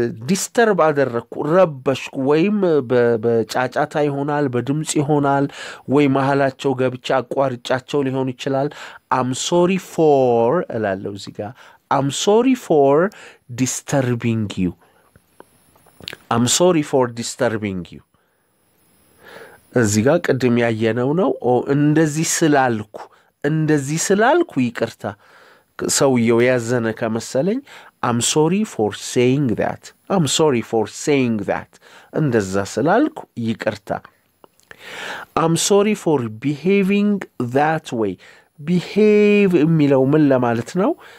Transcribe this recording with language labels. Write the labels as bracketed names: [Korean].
[Amharic] ዲስተርብ አደረኩ ረበሽኩ ወይም በጫጫታ ይሆናል በድምጽ ይሆናል ወይ ማhallቸው ገብቻ አቋርጫቸው ሊሆን ይችላል [English] I'm sorry for [Amharic] እላለሁ እዚህ ጋር [English] I'm sorry for disturbing you [Amharic] I'm sorry for disturbing you እዚህ ጋር ቀድም ያየነው ነው እንደዚህ ስላልኩ እንደዚህ ስላልኩ ይቅርታ ሰውየው ያዘነ ከመሰለኝ [English] I'm sorry for saying that. I'm sorry for saying that. [Amharic] እንደዛ ስላልኩ ይቅርታ. [English] I'm sorry for behaving that way. [Amharic] Behave የሚለው ምን ለማለት ነው?